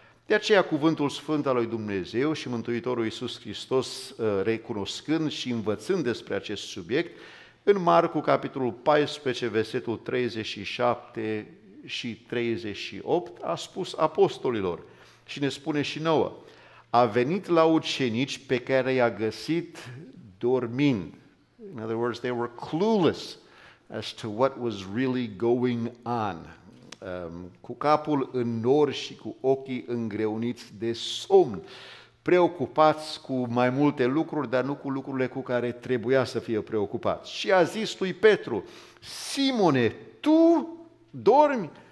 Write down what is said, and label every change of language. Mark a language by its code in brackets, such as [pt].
[ro] De aceea cuvântul Sfânt al lui Dumnezeu și Mântuitorul Iisus Hristos, recunoscând și învățând despre acest subiect, în Marcu, capitolul 14, versetul 37 și 38, a spus apostolilor și ne spune și nouă, a venit la ucenici pe care i-a găsit dormind. [en] In other words, they were clueless as to what was really going on. [ro] Cu capul în nori și cu ochii îngreuniți de somn, preocupați cu mai multe lucruri, dar nu cu lucrurile cu care trebuia să fie preocupați. Și a zis lui Petru, Simone, tu dormi?